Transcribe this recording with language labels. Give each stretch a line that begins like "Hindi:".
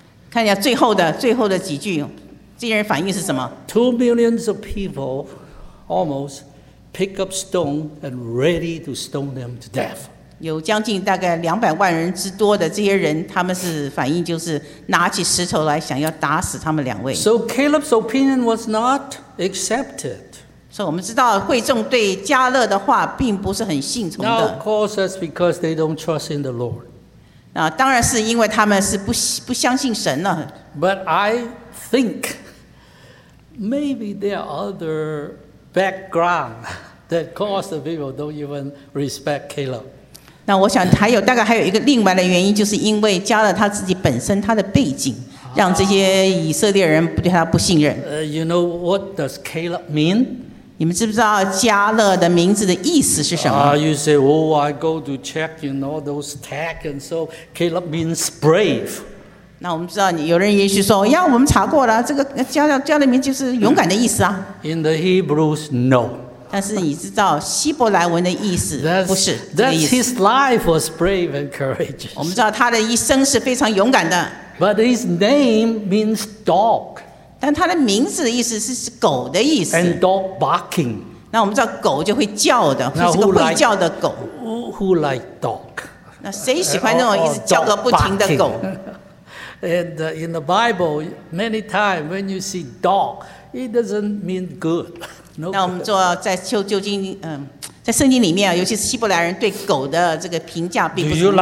Chinese: 看一下最后的几句，这些人反应是什么
English: ？2 million of people almost pick up stone and ready to stone them to death.
Chinese: 有将近大概200万人之多的这些人，他们是反应就是拿起石头来想要打死他们两位。
English: So Caleb's opinion was not accepted.
Chinese: 所以我们知道会众对迦勒的话并不是很信从的。
English: Now of course that's because they don't trust in the Lord.
Chinese: 那当然是因为他们是不相信神了。
English: But I think maybe there are other background that caused the people don't even respect Caleb.
Chinese: 那我想还有大概还有一个另外的原因，就是因为加勒他自己本身他的背景，让这些以色列人对他不信任。
English: You know what does Caleb mean?
Chinese: 你们知不知道加勒的名字的意思是什么
English: ？You say, "Oh, I go to check, you know, those tags, and so Caleb means brave."
Chinese: 那我们知道，有人也许说，呀，我们查过了，这个加勒名就是勇敢的意思啊。
English: In the Hebrews, no.
Chinese: 但是你知道希伯来文的意思不是这个意思。
English: That's his life was brave and courageous.
Chinese: 我们知道他的一生是非常勇敢的。
English: But his name means dog.
Chinese: 但他的名字的意思是狗的意思。
English: And dog barking.
Chinese: 那我们知道狗就会叫的，是个会叫的狗。
English: Who like dog?
Chinese: 那谁喜欢那种一直叫个不停的狗
English: ？And in the Bible, many times when you see dog, it doesn't mean good.
Chinese: 那我们做在旧经，在圣经里面，尤其是希伯来人对狗的这个评价并不是很好。